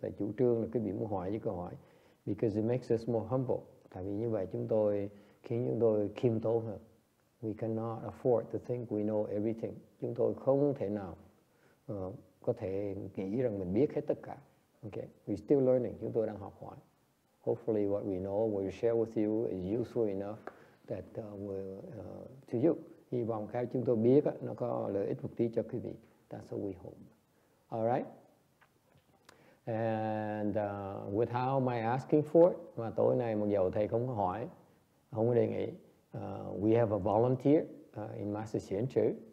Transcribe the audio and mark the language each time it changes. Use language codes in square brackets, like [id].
[vi] Tại chủ trương là quý vị muốn hỏi những câu hỏi. [en] Because it makes us more humble. [vi] Tại vì như vậy chúng tôi khiến chúng tôi khiêm tốn hơn. [en] We cannot afford to think we know everything. [vi] Chúng tôi không thể nào có thể nghĩ rằng mình biết hết tất cả. [en] Okay, we're still learning. [vi] Chúng tôi đang học hỏi. [en] Hopefully, what we know, we'll share with you is useful enough that to you. [vi] Hy vọng cái chúng tôi biết nó có lợi ích một tí cho quý vị. [en] That's what we hope. All right. And without my asking for it, [vi] mà tối nay mặc dù thầy không có hỏi, không có đề nghị, [en] we have a volunteer in Master Xuyến Trữ.